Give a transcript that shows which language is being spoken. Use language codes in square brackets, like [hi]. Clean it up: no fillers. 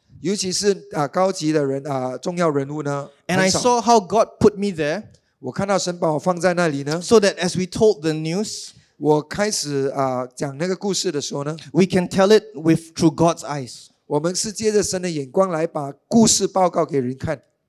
[zh] 尤其是高级的人重要人物呢。 [en] And I saw how God put me there， [zh] 我看到神把我放在那里呢 [en] ，so that as we told the news， [zh] 我开始讲那个故事的时候呢 [en] ，we can tell it with through God's eyes， [zh] 我们是借着神的眼光来把故事报告给人看。